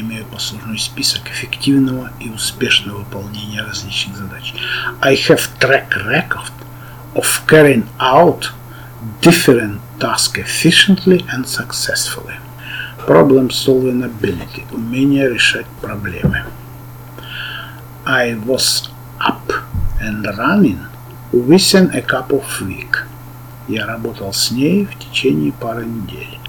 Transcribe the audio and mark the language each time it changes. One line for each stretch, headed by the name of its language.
Russian: Я имею послужной список эффективного и успешного выполнения различных задач.
English: I have track record of carrying out different tasks efficiently and successfully. Problem solving ability.
Russian: Умение решать проблемы.
English: I was up and running within a couple of weeks.
Russian: Я работал с ней в течение пары недель.